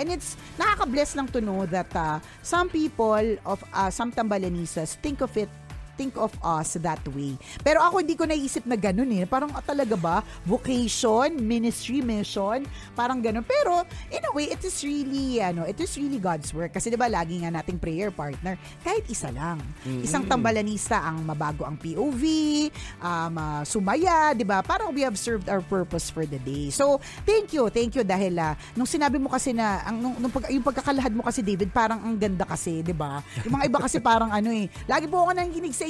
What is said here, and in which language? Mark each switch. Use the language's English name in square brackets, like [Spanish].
[English] And it's, [Filipino] nakaka-bless lang [English] to know that some people of some tambalanisas, think of us that way. [Filipino] Pero ako, hindi ko naisip na ganun eh. Parang talaga ba, vocation, ministry, mission, parang ganun. [English] Pero, in a way, it is really God's work. [Filipino] Kasi diba, lagi nga nating prayer partner, kahit isa lang. Mm-hmm. Isang tambalanisa ang mabago ang POV, sumaya, diba? [English] Parang we have served our purpose for the day. So, thank you [Filipino] dahil nung sinabi mo kasi na, yung pagkakalahad mo kasi, David, parang ang ganda kasi, diba? Yung mga iba kasi parang ano eh, lagi po ako nanginig sa